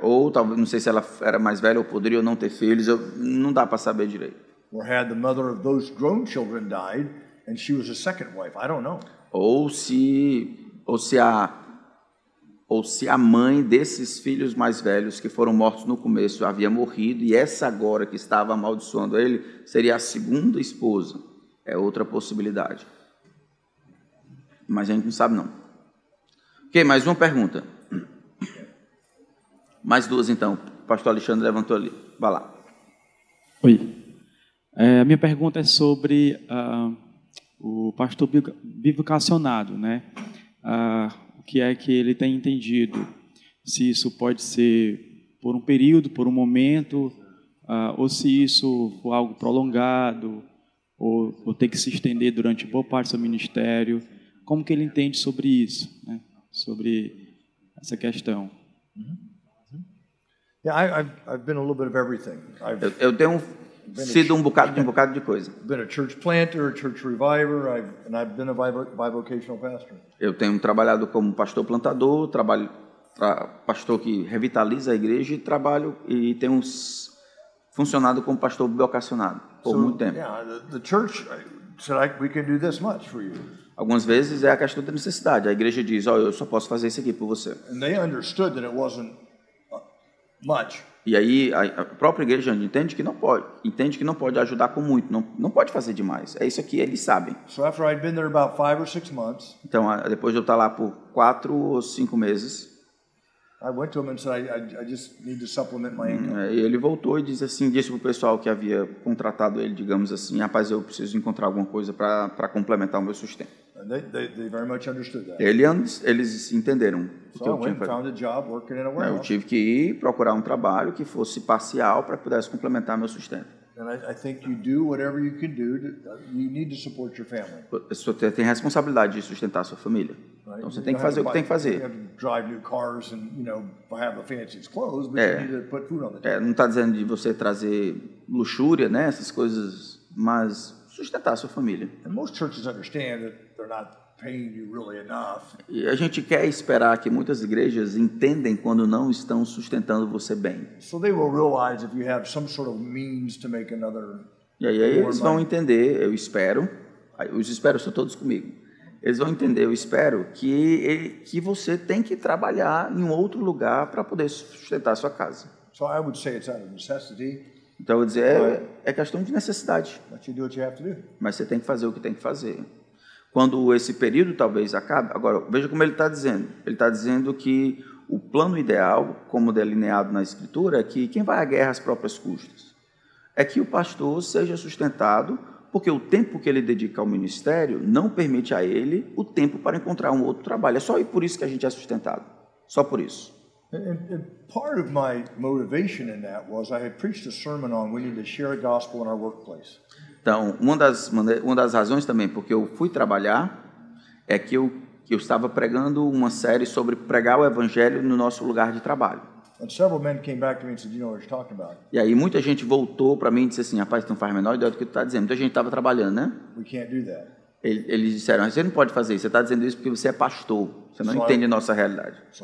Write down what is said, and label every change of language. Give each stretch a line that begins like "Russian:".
Portuguese: Ou talvez, não sei se ela era mais velha ou poderia não ter filhos, não dá para saber direito.
English: Or had the mother of those grown children died and she was a second wife? I don't know.
Portuguese: Ou se a mãe desses filhos mais velhos que foram mortos no começo havia morrido e essa agora que estava amaldiçoando ele seria a segunda esposa. É outra possibilidade. Mas a gente não sabe, não. Ok, mais uma pergunta. Mais duas, então. O pastor Alexandre levantou ali. Vai lá. Oi. A minha pergunta é sobre o pastor bivocacionado, né? Que é que ele tem entendido, se isso pode ser por um período, por um momento, ou se isso for algo prolongado, ou tem que se estender durante boa parte do seu ministério, como que ele entende sobre isso, né? Sobre essa questão?
English: Yeah, I've been a little bit of everything.
Portuguese: Eu tenho sido um bocado de coisa.
English: Been a church planter, a church reviver, and I've been a bivocational pastor.
Portuguese: Eu tenho trabalhado como pastor plantador, pastor que revitaliza a igreja e tenho funcionado como pastor bivocacionado por muito tempo.
English: Yeah, the church said we can do this much for you.
Portuguese: Algumas vezes é a questão da necessidade. A igreja diz, ó, eu só posso fazer isso aqui por você.
English: And they understood that it wasn't much.
Portuguese: E aí a própria igreja entende que não pode ajudar com muito, não pode fazer demais. É isso aqui, eles sabem.
English: So after I'd been there about 5 or 6 months,
Portuguese: então, depois de eu estar lá por 4 ou 5 meses,
English: I went to him and said, I just need to supplement my income.
Portuguese: E ele voltou e disse para o pessoal que havia contratado ele, digamos assim, rapaz, eu preciso encontrar alguma coisa para complementar o meu sustento.
English: They very much understood that.
Portuguese: Eles entenderam.
English: So
Portuguese: eu tive que ir procurar um trabalho que fosse parcial para que pudesse complementar meu sustento.
English: And I think you do whatever you can do. You need to support your family.
Portuguese: Você tem responsabilidade de sustentar sua família. Então você tem que fazer o que tem que fazer.
English: You have to drive new cars and, you know, have the fanciest clothes, but you need to put food on the table.
Portuguese: Não está dizendo de você trazer luxúria, né? Essas coisas, mas sustentar sua família.
English: And most churches understand that they're not paying you really enough.
Portuguese: E a gente quer esperar que muitas igrejas entendem quando não estão sustentando você bem.
English: So they will realize if you have some sort of means to make another.
Portuguese: E aí eles vão entender, eu espero. Os espero são todos comigo. Eles vão entender, eu espero, que você tem que trabalhar em um outro lugar para poder sustentar a sua casa.
English: So I would say it's out of necessity.
Portuguese: Então, eu vou dizer, é questão de necessidade.
English: But you do what you have to do.
Portuguese: Mas você tem que fazer o que tem que fazer. Quando esse período talvez acabe... Agora, veja como ele está dizendo. Ele está dizendo que o plano ideal, como delineado na Escritura, é que quem vai à guerra às próprias custas é que o pastor seja sustentado, porque o tempo que ele dedica ao ministério não permite a ele o tempo para encontrar um outro trabalho. É só por isso que a gente é sustentado. Só por isso.
English: And part of my motivation in that was I had preached a sermon on we need to share the gospel in our workplace.
Portuguese: Então, uma das razões também porque eu fui trabalhar é que eu estava pregando uma série sobre pregar o evangelho no nosso lugar de trabalho.
English: And several men came back to me and said, "You know what you're talking about."
Portuguese: E aí muita gente voltou para mim e disse assim, rapaz, não faz a menor ideia do que tu está dizendo. Muita gente estava trabalhando, né?
English: We can't do that.
Portuguese: Eles disseram, você não pode fazer isso, você está dizendo isso porque você é pastor, você não entende a nossa realidade.